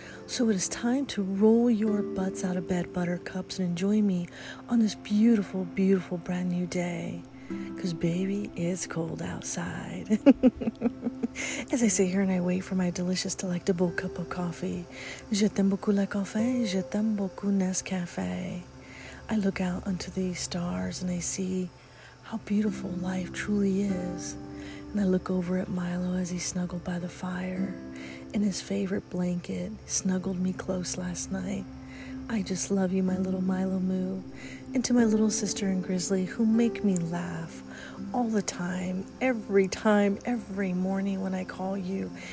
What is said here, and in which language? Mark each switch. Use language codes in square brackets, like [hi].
[en] So it is time to roll your butts out of bed, buttercups, and enjoy me on this beautiful, beautiful brand new day. Because baby, it's cold outside. As I sit here and I wait for my delicious, delectable cup of coffee. [fr] Je t'aime beaucoup le café, je t'aime beaucoup Nescafé. [en] I look out onto the stars and I see how beautiful life truly is. And I look over at Milo as he snuggled by the fire in his favorite blanket, snuggled me close last night. I just love you, my little Milo Moo. And to my little sister and Grizzly, who make me laugh all the time, every morning when I call you.